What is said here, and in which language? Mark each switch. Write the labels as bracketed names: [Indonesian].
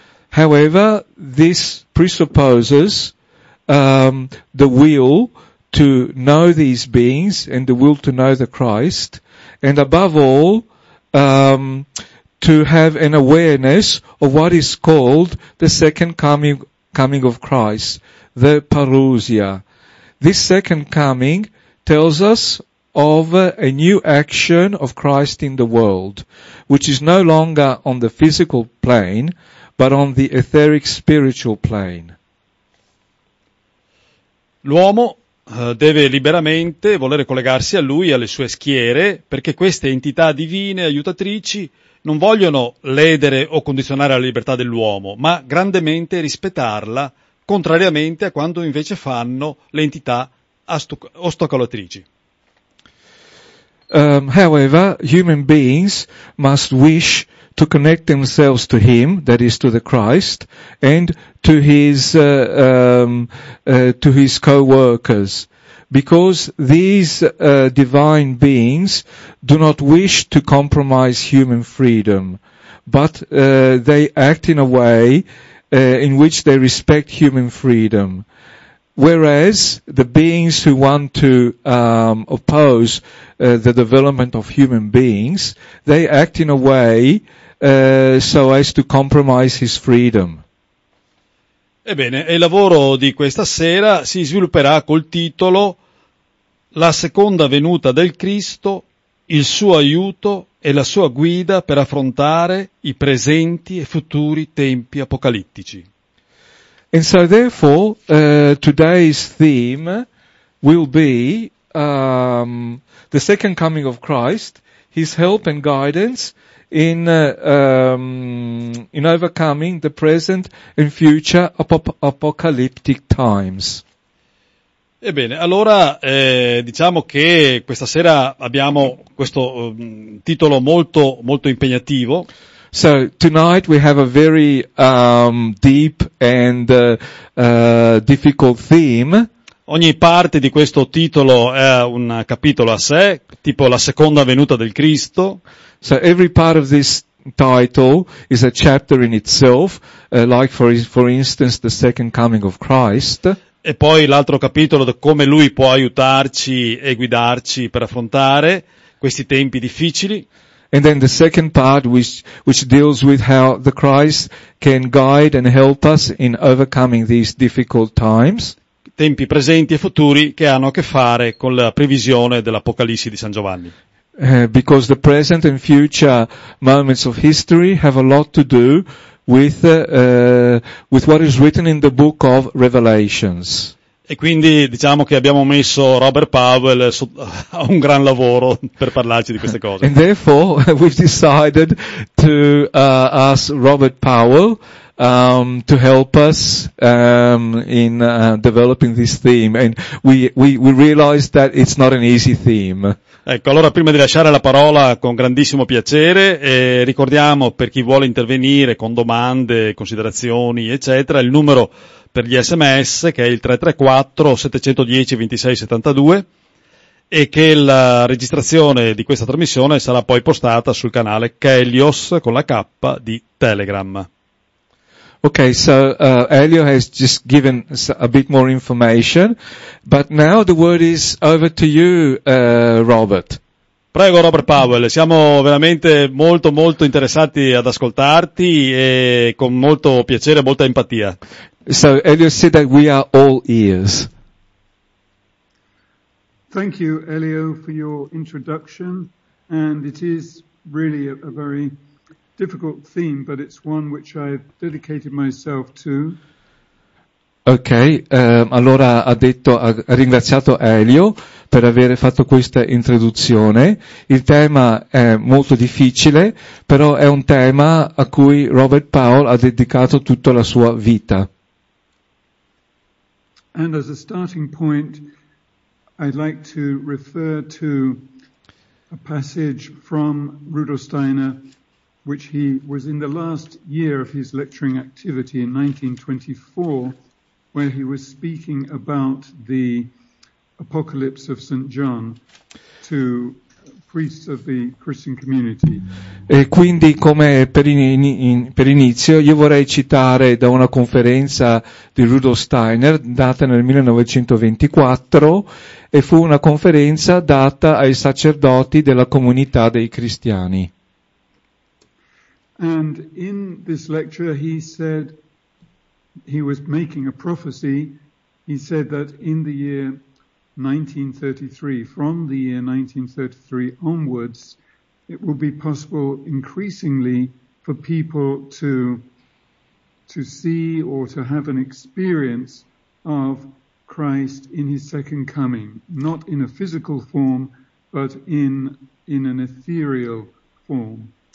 [English] However, this presupposes the will to know these beings and the will to know the Christ, and above all, to have an awareness of what is called the second coming of Christ, the parousia. This second coming tells us of a new action of Christ in the world, which is no longer on the physical plane, but on the etheric spiritual plane. [Italian] L'uomo deve liberamente volere collegarsi a lui e alle sue schiere, perché queste entità divine aiutatrici non vogliono ledere o condizionare la libertà dell'uomo, ma grandemente rispettarla, contrariamente a quanto invece fanno le entità ostacolatrici. [English] However, human beings must wish to connect themselves to him, that is to the Christ, and to his co-workers, because these divine beings do not wish to compromise human freedom, but they act in a way in which they respect human freedom. Whereas the beings who want to oppose the development of human beings, they act in a way so as to compromise his freedom. [Italian] Ebbene, il lavoro di questa sera si svilupperà col titolo La seconda venuta del Cristo, il suo aiuto e la sua guida per affrontare i presenti e futuri tempi apocalittici. [English] And so therefore, today's theme will be the second coming of Christ, his help and guidance in overcoming the present and future apocalyptic times. [Italian] Ebbene, allora diciamo che questa sera abbiamo questo titolo molto molto impegnativo. [English] So tonight we have a very deep and difficult theme. [Italian] Ogni parte di questo titolo è un capitolo a sé, tipo la seconda venuta del Cristo. [English] So every part of this title is a chapter in itself, like for instance the second coming of Christ. [Italian] E poi l'altro capitolo, come lui può aiutarci e guidarci per affrontare questi tempi difficili. [English] And then the second part which deals with how the Christ can guide and help us in overcoming these difficult times. [Italian] Tempi presenti e futuri che hanno a che fare con la previsione dell'Apocalisse di San Giovanni. [English] Because the present and future moments of history have a lot to do with what is written in the book of Revelations. [Italian] E quindi diciamo che abbiamo messo Robert Powell a un gran lavoro per parlarci di queste cose. [English] And therefore we've decided to ask Robert Powell to help us in developing this theme, and we realized that it's not an easy theme. [Italian] Ecco, allora prima di lasciare la parola con grandissimo piacere, ricordiamo per chi vuole intervenire con domande, considerazioni, eccetera, il numero per gli SMS che è il 334-710-2672 e che la registrazione di questa trasmissione sarà poi postata sul canale Kelios con la K di Telegram. [English] Okay, so Elio has just given a bit more information, but now the word is over to you, Robert. [Italian] Prego, Robert Powell, siamo veramente molto molto interessati ad ascoltarti e con molto piacere e molta empatia. [English] So Elio said that we are all ears. Thank you, Elio, for your introduction, and it is really a very difficult theme, but it's one which I've dedicated myself to. [Italian] Okay, allora ha ringraziato Elio per aver fatto questa introduzione. Il tema è molto difficile, però è un tema a cui Robert Powell ha dedicato tutta la sua vita. [English] And as a starting point, I'd like to refer to a passage from Rudolf Steiner, which he was in the last year of his lecturing activity in 1924, where he was speaking about the apocalypse of St. John to priests of the Christian community. [Italian] E quindi, come per inizio, io vorrei citare da una conferenza di Rudolf Steiner data nel 1924, e fu una conferenza data ai sacerdoti della comunità dei cristiani. [English] And in this lecture he said he was making a prophecy. He said that in the year 1933, from the year 1933 onwards, it will be possible increasingly for people to see or to have an experience of Christ in his second coming, not in a physical form, but in an ethereal form.